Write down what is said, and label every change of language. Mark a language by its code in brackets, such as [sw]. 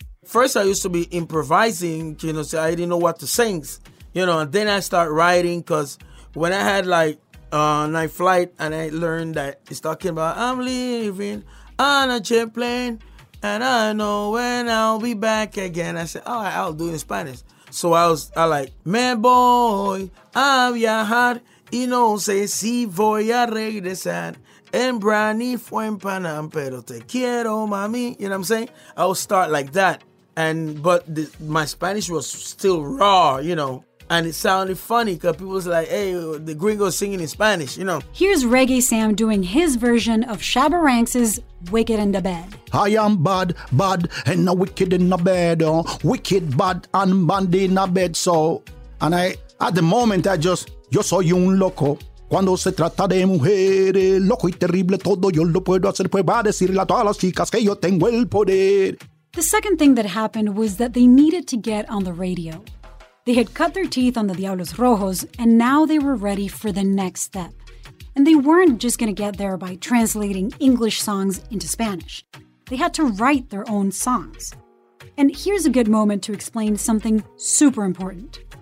[en] First, I used to be improvising, you know, so I didn't know what to sing. You know, and then I start writing because when I had, like, Night Flight and I learned that it's talking about, I'm leaving on a jet plane and I know when I'll be back again. I said, all right, I'll do it in Spanish. So I like, [es] me voy a viajar y no sé si voy a regresar. En Brani fue en Panam, pero te quiero, mami. [en] You know what I'm saying? I would start like that. But my Spanish was still raw, you know. And it sounded funny because people was like, hey, the gringo's singing in Spanish, you know. Here's Reggae Sam doing his version of Shaba Ranks' Wicked in the Bed. I am bad, bad, and a wicked in the bed. Oh. Wicked, bad, and bandy in the bed. So, and I, at the moment, I just, [es] yo soy un loco. Cuando se trata de mujeres, loco y terrible todo, yo lo puedo hacer, pues va a decirle a todas las chicas que yo tengo el poder. [en] The second thing that happened was that they needed to get on the radio. They had cut their teeth on the Diablos Rojos, and now they were ready for the next step. And they weren't just going to get there by translating English songs into Spanish. They had to write their own songs. And here's a good moment to explain something super important.